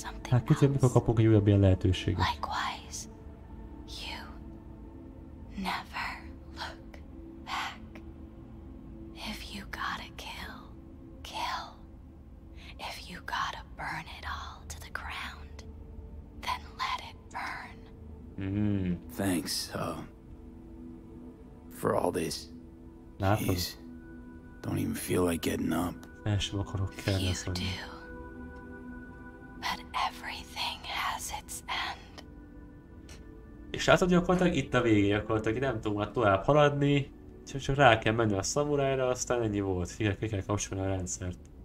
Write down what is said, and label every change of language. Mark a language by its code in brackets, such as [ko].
[hu] Hát kicsit, mikor kapunk egy újabb ilyen lehetőséget. [en] Likewise, you never look back. If you gotta kill, kill. If you gotta burn it all to the ground, then let it burn. Thanks, for all this. [hu] Látom. [en] Jeez, don't even feel like getting up. [hu] El sem akarok kellni. [en] You do. But everything has its end. [hu] És látod, gyakorlatilag itt a végén gyakorlatilag, nem tudom már tovább haladni, csak rá kell menni a szamurájra, aztán ennyi volt, ki kell kapcsolni a rendszert.